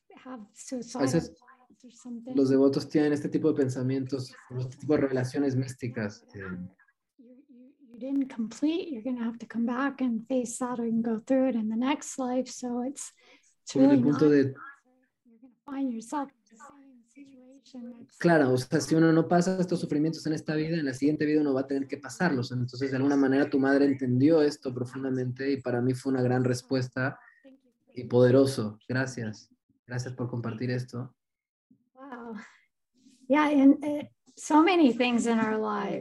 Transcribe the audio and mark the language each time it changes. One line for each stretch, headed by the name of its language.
Spanish: A veces los devotos tienen este tipo de pensamientos, este tipo de revelaciones místicas.
English: You didn't complete, you're going to have to come back and face that and go through it in the next life, so it's really not... You're going to find yourself in the same situation.
Spanish: Claro, o sea, si uno no pasa estos sufrimientos en esta vida, en la siguiente vida uno va a tener que pasarlos. Entonces, de alguna manera, tu madre entendió esto profundamente y para mí fue una gran respuesta y poderoso. Gracias. Gracias por compartir esto. Wow.
English: Yeah, and so many things in our lives.